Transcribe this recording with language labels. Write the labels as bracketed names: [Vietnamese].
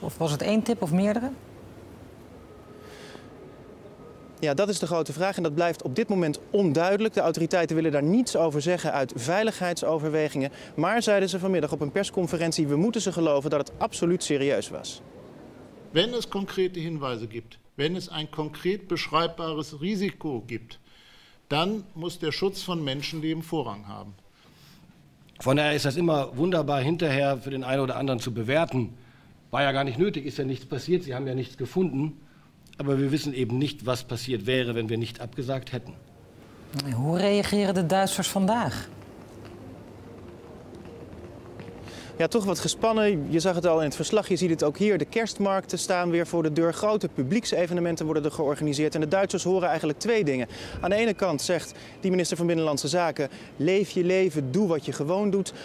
[Dutch] Of was het 1 tip of meerdere? Ja, dat is de grote vraag en dat blijft op dit moment onduidelijk. De autoriteiten willen daar niets over zeggen uit veiligheidsoverwegingen. Maar, zeiden ze vanmiddag op een persconferentie, we moeten ze geloven dat het absoluut serieus was. [German] Wenn es concrete hinweisen gibt, wenn es ein konkret beschreibbares risico gibt, dann muss der Schutz von Menschenleben Vorrang haben. Von daher ist das immer wunderbar hinterher für den einen oder anderen zu bewerten. War ja gar nicht nötig, ist ja nichts passiert, sie haben ja nichts gefunden. Aber wir wissen eben nicht, was passiert wäre, wenn wir nicht abgesagt hätten. [Dutch] Hoe reageren de Duitsers vandaag? Ja, toch wat gespannen. Je zag het al in het verslag, je ziet het ook hier. De kerstmarkten staan weer voor de deur. Grote publieksevenementen worden er georganiseerd. En de Duitsers horen eigenlijk 2 dingen. Aan de ene kant zegt die minister van Binnenlandse Zaken, leef je leven, doe wat je gewoon doet.